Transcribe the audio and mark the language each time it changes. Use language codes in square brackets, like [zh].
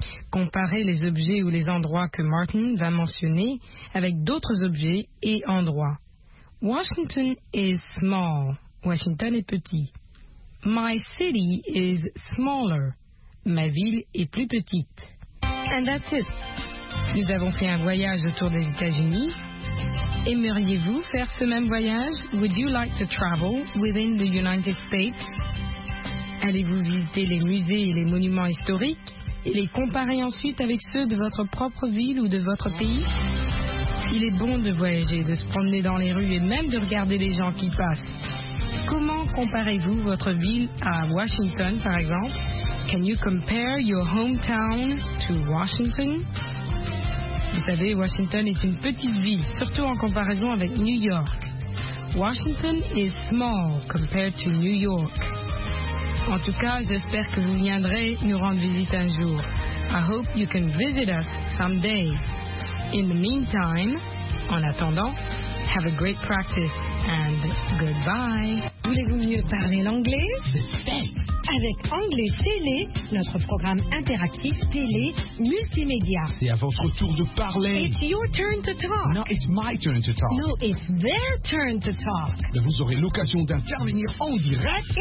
[fr] Comparez les objets ou les endroits que Martin va mentionner avec d'autres objets et endroits. [en] Washington is small. [fr] Washington est petit. [en] My city is smaller. [fr] Ma ville est plus petite. [en] And that's it. [fr] Nous avons fait un voyage autour des États-Unis. Aimeriez-vous faire ce même voyage? [en] Would you like to travel within the United States? [fr] Allez-vous visiter les musées et les monuments historiques et les comparer ensuite avec ceux de votre propre ville ou de votre pays? Il est bon de voyager, de se promener dans les rues et même de regarder les gens qui passent. Comment comparez-vous votre ville à Washington, par exemple? [en] Can you compare your hometown to Washington? [fr] Vous savez, Washington est une petite ville, surtout en comparaison avec New York. [en] Washington is small compared to New York. [fr] En tout cas, j'espère que vous viendrez nous rendre visite un jour. [en] I hope you can visit us someday. In the meantime, [fr] en attendant, [en] have a great practice and goodbye. [fr] Voulez-vous mieux parler l'anglais? Avec Anglais Télé, notre programme interactif télé multimédia. C'est à votre tour de parler. [en] It's your turn to talk. No, it's my turn to talk. No, it's their turn to talk. [fr] Vous aurez l'occasion d'intervenir en direct.